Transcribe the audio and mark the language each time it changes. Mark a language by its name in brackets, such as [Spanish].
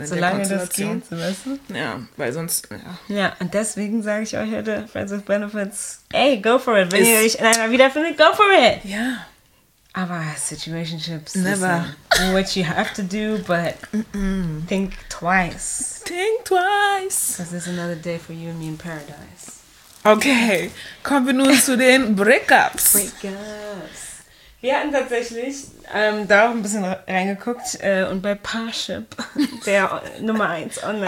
[German] In solange der das geht, weißt du? Ja, weil sonst... Ja, ja, und deswegen sage ich euch heute, Friends with Benefits, ey, [English] go for it. [German] Wenn ihr euch in einer wiederfindet, [English] go for it. [German] Ja. Aber Situationships, [English] never. Listen, what you have to do, but think twice. Think twice. Because there's another day for you and me in paradise. [German] Okay, kommen wir nun zu den Breakups. Breakups. Wir hatten tatsächlich da auch ein bisschen reingeguckt und bei Parship, der Nummer 1 Online-Dating.